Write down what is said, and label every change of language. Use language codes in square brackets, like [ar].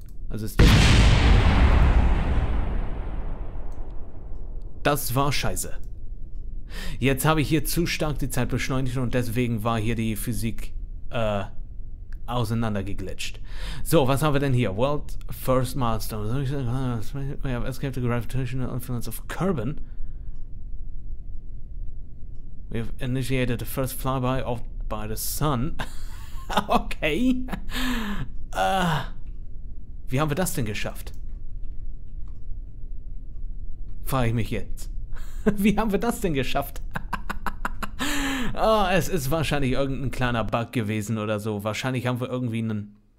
[de] Also ist das... Das war scheiße. Jetzt habe ich hier zu stark die Zeit beschleunigt und deswegen war hier die Physik, auseinandergeglitscht. So, was haben wir denn hier? [en] World First Milestone. We have escaped the gravitational influence of carbon. We have initiated the first flyby of by the sun. Okay. [de] Wie haben wir das denn geschafft? Frage ich mich jetzt. Wie haben wir das denn geschafft? Oh, es ist wahrscheinlich irgendein kleiner Bug gewesen oder so. Wahrscheinlich haben wir irgendwie einen...